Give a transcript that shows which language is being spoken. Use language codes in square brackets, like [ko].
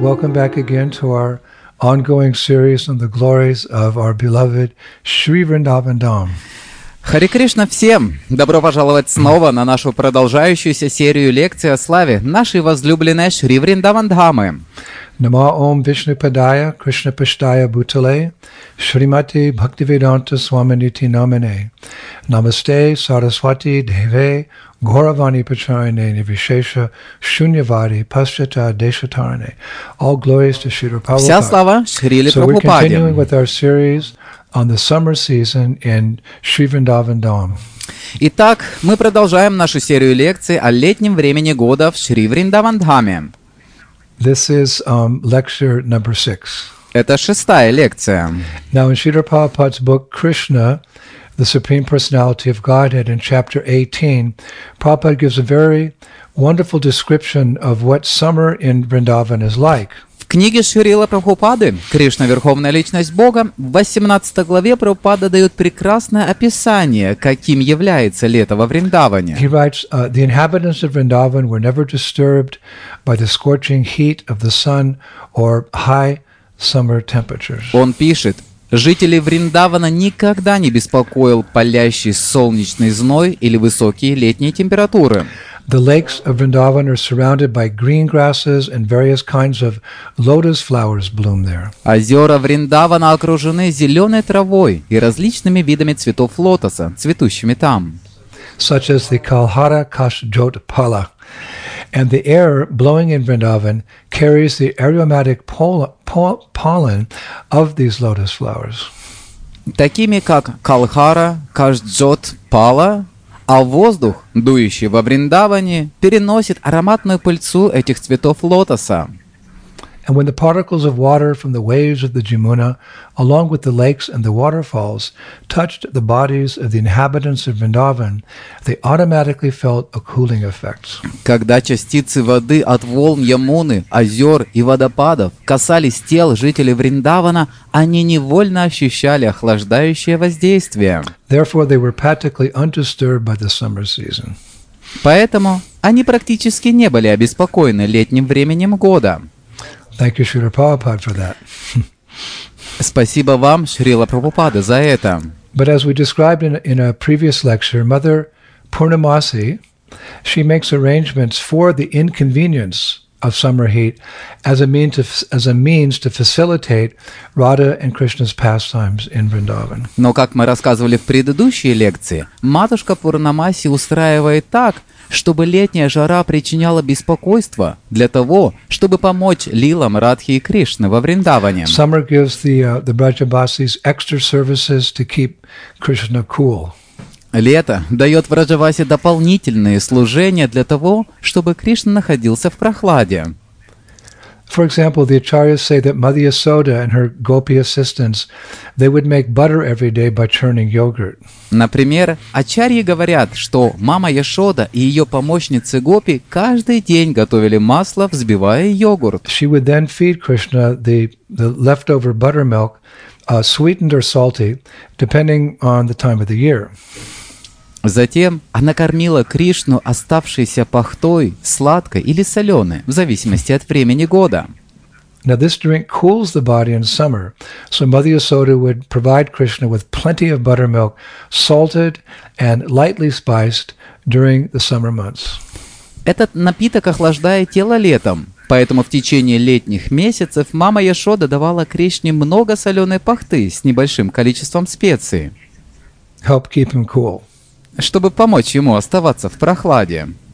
[en] Welcome back again to our ongoing series on the glories of our beloved Sri Vrindavan Dham. [ru] Hare Krishna всем! Добро пожаловать снова на нашу продолжающуюся серию лекций о славе нашей возлюбленной Шри Вриндаван Дхамы. [sa] Нама Ом Вишну Падая Кришна Паштая Бутале Шримати Бхактивиданта Свамините Намине Намасте Сарасвати Деве Гуравани Пачарине Нивишеша Шуньявари Пасчата Дешатарине. [en] All glories to Шри Прабхупада. [ru] Вся слава Шрили Прабхупаде. [en] So we're continuing with our series on the summer season in Sri Vrindavan Dham. [ru] Итак, мы продолжаем нашу серию лекций о летнем времени года в Шри Вриндаван Дхаме. [en] This is lecture number 6. [ru] Это шестая лекция. [en] Now in Śrīla Prabhupāda's book Krishna, the Supreme Personality of Godhead, in chapter 18, Prabhupāda gives a very wonderful description of what summer in Vrindavan is like. [ru] В книге Шрила Прабхупады «Кришна – Верховная Личность Бога» в 18 главе Прабхупада дает прекрасное описание, каким является лето во Вриндаване. [en] He writes, the inhabitants of Vrindavan were never disturbed by the scorching heat of the sun or high summer temperatures. [ru] Он пишет, жители Вриндавана никогда не беспокоил палящий солнечный зной или высокие летние температуры. [en] The lakes of Vrindavan are surrounded by green grasses and various kinds of lotus flowers bloom there. [ru] Озера Вриндавана окружены зеленой травой и различными видами цветов лотоса, цветущими там. [en] Such as the Kalhara Kashjotpala. And the air blowing in Vrindavan carries the aromatic pollen of these lotus flowers. [ru] Такими как Kalhara Kashjotpala, а воздух, дующий во Вриндаване, переносит ароматную пыльцу этих цветов лотоса. [en] And when the particles of water from the waves of the Jamuna, along with the lakes and the waterfalls, touched the bodies of the inhabitants of Vrindavan, they automatically felt a cooling effect. [ru] Когда частицы воды от волн Ямуны, озер и водопадов касались тел жителей Вриндавана, они невольно ощущали охлаждающее воздействие. [en] Therefore, they were practically undisturbed by the summer season. [ru] Поэтому они практически не были обеспокоены летним временем года. [en] Thank you, Śrīla Prabhupāda, for that. [ru] Спасибо вам, Шрила Прабхупада, за это. [en] But as we described in a previous lecture, Mother Purnamasi, she makes arrangements for the inconvenience of summer heat as a means to facilitate Radha and Krishna's pastimes in Vrindavan. [ru] Но как мы рассказывали в предыдущей лекции, матушка Пурнамаси устраивает так, чтобы летняя жара причиняла беспокойство для того, чтобы помочь лилам Радхи и Кришны во Вриндаване. [en] Summer gives the Vrajavasis extra services to keep Krishna cool. [ru] Лето дает Враджавасе дополнительные служения для того, чтобы Кришна находился в прохладе. [en] For example, the Acharyas say that Mother Yasoda and her gopi assistants, they would make butter every day by churning yogurt. [ru] Например, Ачарьи говорят, что мама Яшода и ее помощницы гопи каждый день готовили масло, взбивая йогурт. [en] She would then feed Krishna the leftover buttermilk, sweetened or salty, depending on the time of the year. [ru] Затем она кормила Кришну оставшейся пахтой, сладкой или соленой, в зависимости от времени года. [en] Now this drink cools the body in summer, so Mother Yasoda would provide Krishna with plenty of buttermilk, salted and lightly spiced during the summer months. [ru] Этот напиток охлаждает тело летом, поэтому в течение летних месяцев мама Яшода давала Кришне много соленой пахты с небольшим количеством специй. [en] Help keep him cool. [ru] Чтобы помочь ему оставаться в прохладе.